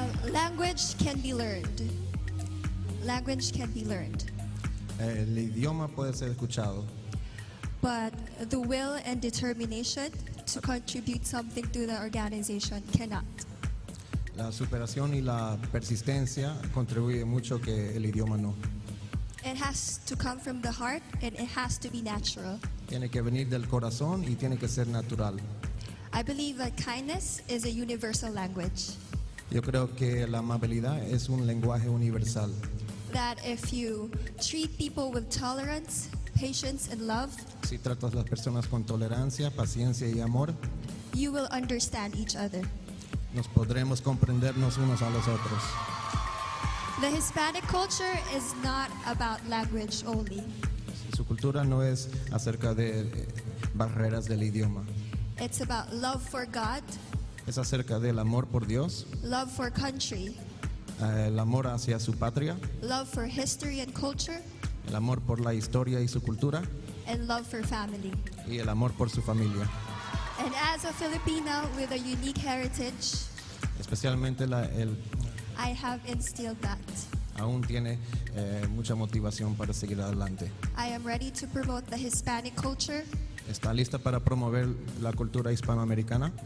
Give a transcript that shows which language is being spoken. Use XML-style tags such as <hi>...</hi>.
<en>Language can be learned. Language can be learned.</en> <es>El idioma puede ser escuchado.</es> <en>But the will and determination to contribute something to the organization cannot.</en> <es>La superación y la persistencia contribuye mucho que el idioma no.</es> <en>It has to come from the heart, and it has to be natural.</en> <es>Tiene que venir del corazón y tiene que ser natural.</es> <en>I believe that kindness is a universal language.</en> <es>Yo creo que la amabilidad es un lenguaje universal.</es> <en>That if you treat people with tolerance, patience, and love,</en> <es>si tratas las personas con tolerancia, paciencia y amor,</es> <en>you will understand each other.</en> <es>Nos podremos comprendernos unos a los otros.</es> <en>The Hispanic culture is not about language only.</en> <es>Su cultura no es acerca de barreras del idioma.</es> <en>It's about love for God.</en> <es>Es acerca del amor por Dios.</es> <en>Love for country.</en> <es>El amor hacia su patria.</es> <en>Love for history and culture.</en> <es>El amor por la historia y su cultura.</es> <en>And love for family.</en> <es>Y el amor por su familia.</es> <en>And as a Filipina with a unique heritage.</en> <es>Especialmente</es> <en>I have instilled that.</en> <es>Aún tiene mucha motivación para seguir adelante.</es> <en>I am ready to promote the Hispanic culture.</en> <es>¿Está lista para promover la cultura hispanoamericana?</es>